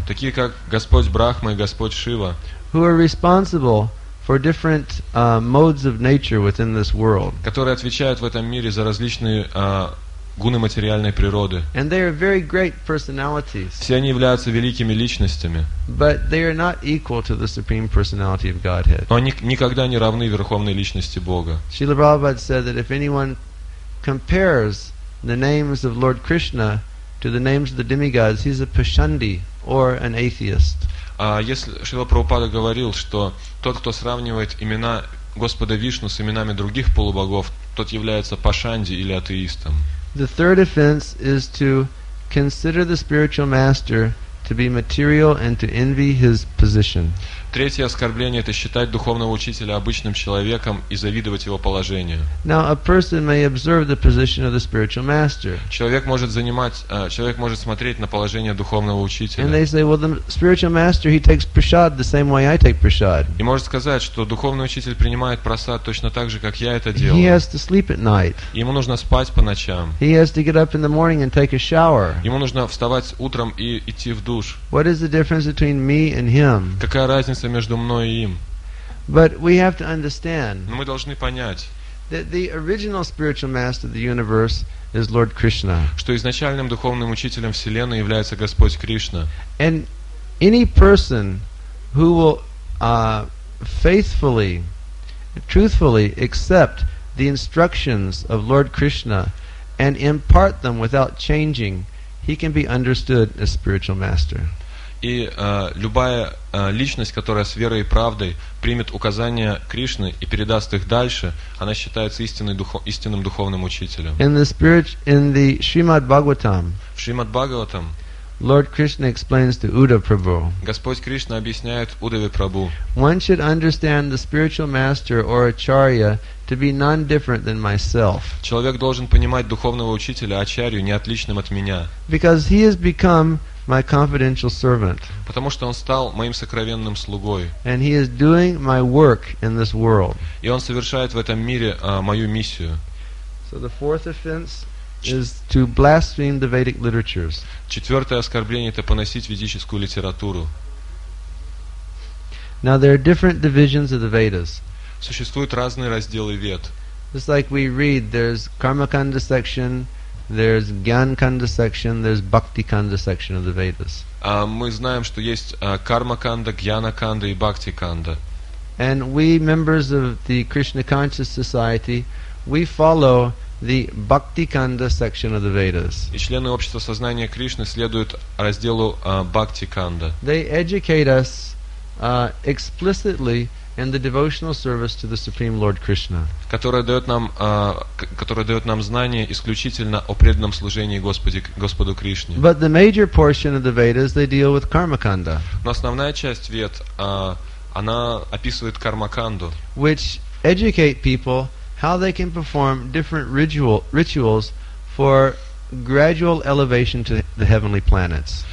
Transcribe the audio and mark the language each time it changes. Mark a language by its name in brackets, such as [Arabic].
[Russian] такие как Господь Брахма и Господь Шива, [English] who are responsible for different modes of nature within this world. [Russian] Которые отвечают в этом мире за различные гуны материальной природы. [English] And they are very great personalities. [Russian] Все они являются великими личностями. [English] But they are not equal to the supreme personality of Godhead. [Russian] Но они никогда не равны верховной личности Бога. [English] Srila Prabhupada said that if anyone compares the names of Lord Krishna to the names of the demigods, he's a Pashandi or an atheist. [Russian] Если Шрила Прабхупада говорил, что тот, кто сравнивает имена Господа Вишну с именами других полубогов, тот является Пашанди или атеистом. [English] The third offense is to consider the spiritual master to be material and to envy his position. [Russian] Третье оскорбление – это считать духовного учителя обычным человеком и завидовать его положению. [English] Now, a person may observe the position of the spiritual master. [Russian] Человек может смотреть на положение духовного учителя. [English] And they say, well, the spiritual master, he takes prasad the same way I take prasad. [Russian] И может сказать, что духовный учитель принимает прасад точно так же, как я это делаю. [English] He has to sleep at night. [Russian] Ему нужно спать по ночам. [English] He has to get up in the morning and take a shower. [Russian] Ему нужно вставать утром и идти в душ. [English] What is the difference between me and him? [Russian] Какая разница между мной и им? [English] But we have to understand. [Russian] Но мы должны понять. [English] That the original spiritual master of the universe is Lord Krishna. [Russian] Что изначальным духовным учителем вселенной является Господь Кришна. [English] And any person who will faithfully, truthfully accept the instructions of Lord Krishna and impart them without changing, he can be understood as spiritual master. [Russian] И любая личность, которая с верой и правдой примет указания Кришны и передаст их дальше, она считается истинным духовным учителем. [English] In the Shrimad Bhagavatam. [Russian] В Шримад Бхагаватам. [English] Lord Krishna explains to Uddhav Prabhu. [Russian] Господь Кришна объясняет Удаве Прабху. [English] One should understand the spiritual master or acharya to be none different than myself. [Russian] Человек должен понимать духовного учителя, ачарью, не отличным от меня. [English] Because he has become my confidential servant. [Russian] Потому что он стал моим сокровенным слугой. [English] And he is doing my work in this world. [Russian] И он совершает в этом мире мою миссию. [English] So the fourth offense is to blaspheme the Vedic literatures. [Russian] Четвёртое оскорбление это поносить ведическую литературу. [English] Now there are different divisions of the Vedas. [Russian] Существуют разные разделы Вед. [English] Just like we read, there's Karmakanda section, there's Gyankanda section, there's Bhaktikanda section of the Vedas. [Russian] Мы знаем, что есть Кармаканда, Гьянаканда и Бхактиканда. [English] And we members of the Krishna Conscious Society, we follow the Bhaktikanda section of the Vedas. [Russian] И члены общества сознания Кришны следуют разделу Бхактиканда. [English] They educate us explicitly in the devotional service to the Supreme Lord Krishna. [Russian] Которая дает нам знания исключительно о преданном служении Господу Кришне. [English] But the major portion of the Vedas they deal with Karmakanda. [Russian] Но основная часть Вед она описывает Кармаканду. [English] Which educate people how they can perform different rituals for gradual elevation to the heavenly planets.